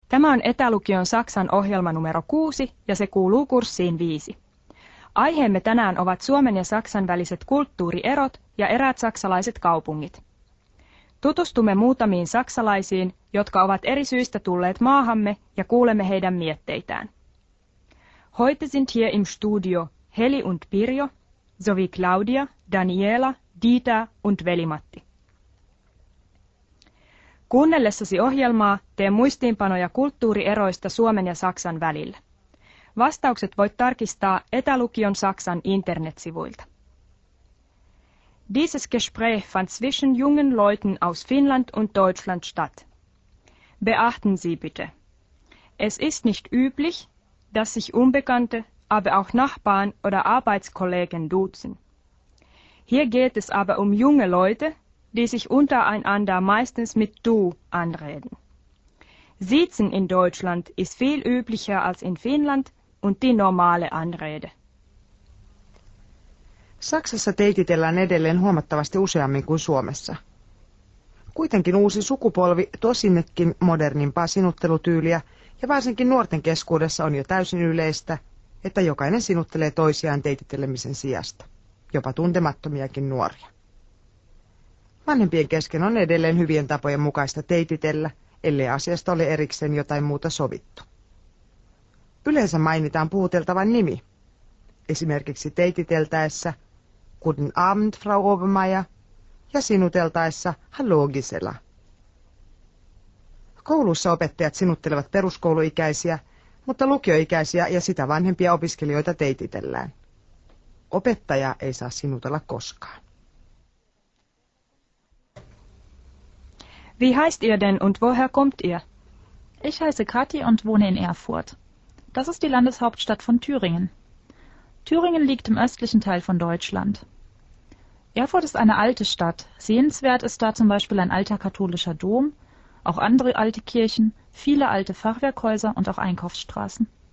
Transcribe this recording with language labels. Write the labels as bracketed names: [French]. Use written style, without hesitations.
[Finnish] Tämä on etälukion Saksan ohjelma numero 6 ja se kuuluu kurssiin 5. Aiheemme tänään ovat Suomen ja Saksan väliset kulttuurierot ja eräät saksalaiset kaupungit. Tutustumme muutamiin saksalaisiin, jotka ovat eri syistä tulleet maahamme ja kuulemme heidän mietteitään. [German] Heute sind hier im Studio Heli und Pirjo, sowie Claudia, Daniela, Dieter und Veli-Matti. [Finnish] Kuunnellessasi ohjelmaa tee muistiinpanoja kulttuurieroista Suomen ja Saksan välillä. Vastaukset voit tarkistaa etälukion Saksan internetsivuilta. [German] Dieses Gespräch fand zwischen jungen Leuten aus Finnland und Deutschland statt. Beachten Sie bitte. Es ist nicht üblich, dass sich Unbekannte, aber auch Nachbarn oder Arbeitskollegen duzen. Hier geht es aber um junge Leute, die sich untereinander meistens mit Du anreden. Siezen in Deutschland ist viel üblicher als in Finnland und die normale Anrede. [Finnish] Saksassa teititellään edelleen huomattavasti useammin kuin Suomessa. Kuitenkin uusi sukupolvi tuo sinnekin modernimpaa sinuttelutyyliä, ja varsinkin nuorten keskuudessa on jo täysin yleistä, että jokainen sinuttelee toisiaan teitittelemisen sijasta, jopa tuntemattomiakin nuoria. Vanhempien kesken on edelleen hyvien tapojen mukaista teititellä, ellei asiasta ole erikseen jotain muuta sovittu. Yleensä mainitaan puhuteltavan nimi. Esimerkiksi teititeltäessä [German] Guten Abend, Frau Obermeier, [Finnish] ja sinuteltaessa [German] Hallo Gisela. [Finnish] Koulussa opettajat sinuttelevat peruskouluikäisiä, mutta lukioikäisiä ja sitä vanhempia opiskelijoita teititellään. Opettaja ei saa sinutella koskaan. [German] Wie heißt ihr denn und woher kommt ihr? Ich heiße Kati und wohne in Erfurt. Das ist die Landeshauptstadt von Thüringen. Thüringen liegt im östlichen Teil von Deutschland. Erfurt ist eine alte Stadt. Sehenswert ist da zum Beispiel ein alter katholischer Dom, auch andere alte Kirchen, viele alte Fachwerkhäuser und auch Einkaufsstraßen.